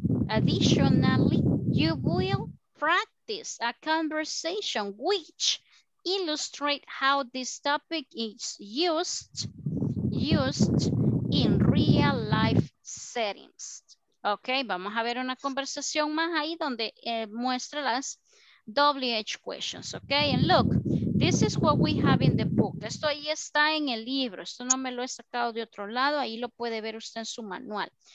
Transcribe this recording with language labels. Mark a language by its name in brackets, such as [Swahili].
[English] Additionally, you will practice a conversation which illustrates how this topic is used in real life settings. [Spanish] Ok, vamos a ver una conversación más ahí donde muestra las WH questions. [English] Ok, and look, this is what we have in the book. [Spanish] Esto ahí está en el libro. Esto no me lo he sacado de otro lado. Ahí lo puede ver usted en su manual.